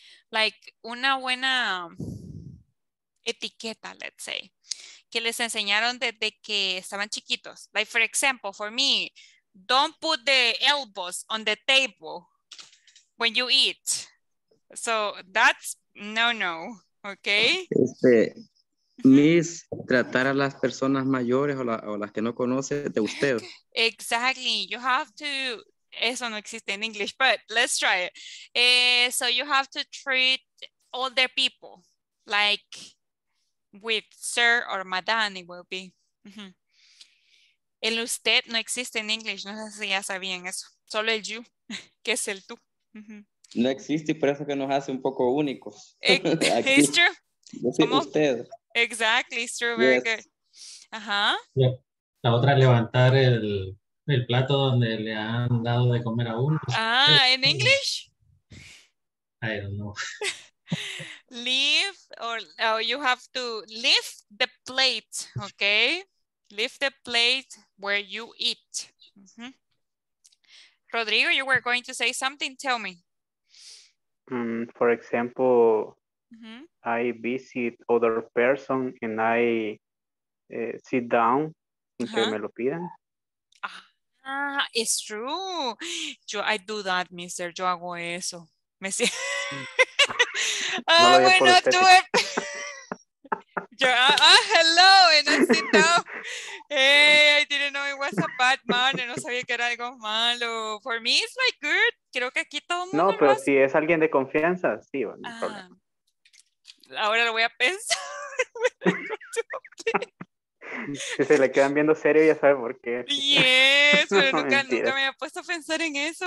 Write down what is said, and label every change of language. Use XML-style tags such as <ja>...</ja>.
<es>Like una buena etiqueta,</es> <en>let's say,</en> <es>que les enseñaron desde que estaban chiquitos.</es> <en>Like for example, for me, don't put the elbows on the table when you eat. So that's no, okay?</en> <es>Miss, tratar a las personas mayores o las que no conoce de usted.</es> <en>Exactly, you have to,</en> <es>eso no existe en</es> <en>English, but let's try it. So you have to treat older people like with sir or madame it will be. Mm-hmm.</en> <es>El usted no existe en inglés, no sé si ya sabían eso. Solo el you, que es el tú. No existe y por eso que nos hace un poco únicos.</es> <en>It's true.</en> <es>¿Cómo? Usted.</es> <en>Exactly, it's true, very yes. good. Ajá.</en> <es>La otra, levantar el, El plato donde le han dado de comer a uno. Ah, ¿en inglés?</es> <en>I don't know. Leave, or you have to lift the plate, okay? Lift the plate where you eat. Mm-hmm. Rodrigo, you were going to say something, tell me. For example, mm-hmm. I visit other person and I sit down in uh-huh.</en> <es>me lo piden.</es> <en>Ah, it's true. Yo, I do that, mister.</en> <es>Yo hago eso. Me siento. No, bueno, tú.</es> <en>Hello, and I sit down. Hey, I didn't know it was a bad manner.</en> <es>No sabía que era algo malo.</es> <en>For me, it's like good.</en> <es>Creo que aquí todo el mundo. No, pero si es alguien de confianza, sí, no hay problema. Ahora lo voy a pensar. Si se le quedan viendo serio, ya sabe por qué. Yes, pero nunca, nunca me había puesto a pensar en eso.</es>